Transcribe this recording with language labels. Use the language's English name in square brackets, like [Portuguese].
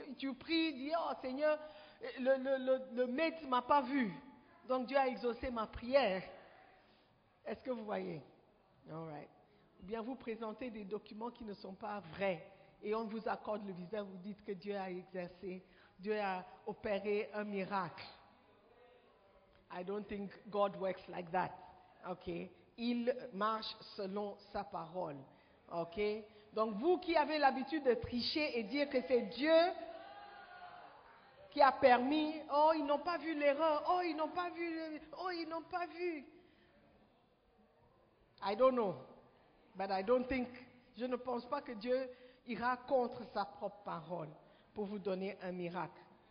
[French] Tu pries, dis, oh Seigneur, le maître ne m'a pas vu. Donc Dieu a exaucé ma prière. Est-ce que vous voyez? [English] All right. [French] Ou bien vous présentez des documents qui ne sont pas vrais. Et on vous accorde le visa, vous dites que Dieu a exercé, Dieu a opéré un miracle. [English] I don't think God works like that. [French] OK? Il marche selon sa parole. OK? Donc, vous qui avez l'habitude de tricher et dire que c'est Dieu qui a permis, oh, ils n'ont pas vu l'erreur, oh, ils n'ont pas vu, oh, ils n'ont pas vu. [English] I don't know. But I don't think, [French] je ne pense pas que Dieu ira contre sa propre parole pour vous donner un miracle.